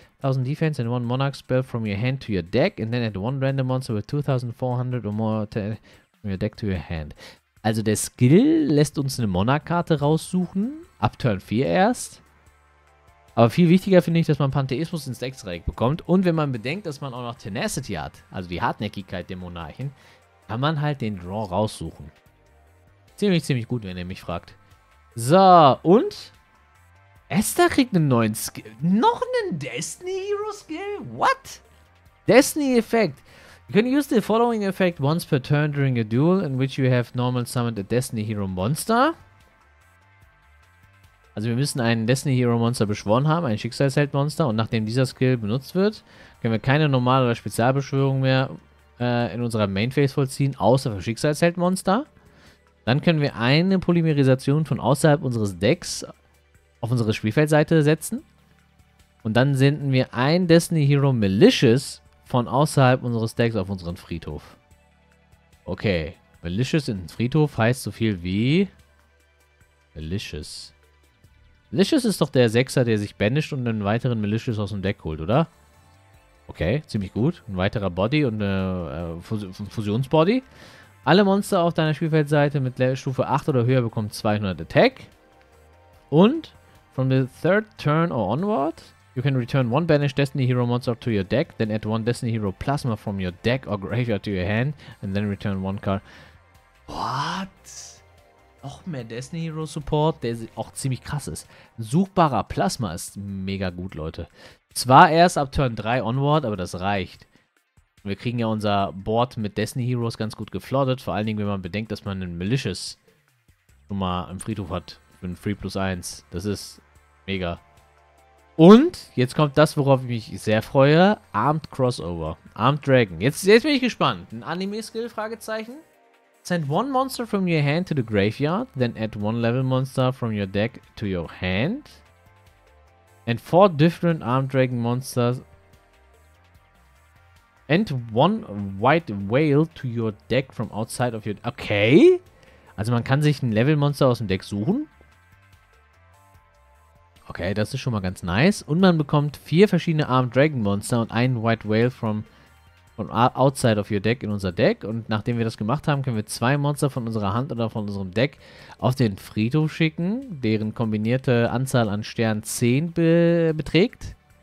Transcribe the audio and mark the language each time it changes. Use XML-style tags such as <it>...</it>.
<en>1000 defense and one monarch spell from your hand to your deck and then add one random monster with 2400 or more from your deck to your hand.</en> <de>Also der Skill lässt uns eine Monarch-Karte raussuchen, ab Turn 4 erst. Aber viel wichtiger finde ich, dass man Pantheismus ins Deck bekommt und wenn man bedenkt, dass man auch noch Tenacity hat, also die Hartnäckigkeit der Monarchen, kann man halt den Draw raussuchen. Ziemlich, ziemlich gut, wenn ihr mich fragt. So, und... Esther kriegt einen neuen Skill. Noch einen Destiny Hero Skill? What? Destiny Effect. You can use the following effect once per turn during a duel in which you have normal summoned a Destiny Hero Monster. Also wir müssen einen Destiny Hero Monster beschworen haben, ein Schicksalsheld Monster. Und nachdem dieser Skill benutzt wird, können wir keine normale oder Spezialbeschwörung mehr in unserer Main Phase vollziehen, außer für Schicksalsheld Monster. Dann können wir eine Polymerisation von außerhalb unseres Decks auf unsere Spielfeldseite setzen und dann senden wir ein Destiny Hero Malicious von außerhalb unseres Decks auf unseren Friedhof. Okay, Malicious in den Friedhof heißt so viel wie Malicious. Malicious ist doch der Sechser, der sich banisht und einen weiteren Malicious aus dem Deck holt, oder? Okay, ziemlich gut. Ein weiterer Body und ein Fusionsbody. Alle Monster auf deiner Spielfeldseite mit Stufe 8 oder höher bekommen 200 Attack.</de> <en>Und from the third turn or onward, you can return one banished Destiny Hero Monster to your deck, then add one Destiny Hero Plasma from your deck or graveyard to your hand, and then return one card. What?</en> <de>Noch mehr Destiny Hero Support, der auch ziemlich krass ist. Suchbarer Plasma ist mega gut, Leute. Zwar erst ab Turn 3 onward, aber das reicht. Wir kriegen ja unser Board mit Destiny Heroes ganz gut geflottet, vor allen Dingen, wenn man bedenkt, dass man einen Malicious schon mal im Friedhof hat. für ein Free Plus 1. Das ist mega. Und jetzt kommt das, worauf ich mich sehr freue. Armed Crossover. Armed Dragon. Jetzt bin ich gespannt. Ein Anime-Skill? Fragezeichen.</de> <en>Send one monster from your hand to the graveyard, then add one level monster from your deck to your hand. And four different Armed Dragon monsters. And one white whale to your deck from outside of your... Okay.</en> <de>Also man kann sich ein Levelmonster aus dem Deck suchen. Okay, das ist schon mal ganz nice. Und man bekommt vier verschiedene Armed Dragon Monster und einen White Whale von</de> <en>outside of your deck</en> <de>in unser Deck. Und nachdem wir das gemacht haben, können wir zwei Monster von unserer Hand oder von unserem Deck auf den Friedhof schicken, deren kombinierte Anzahl an Sternen 10 beträgt.</de>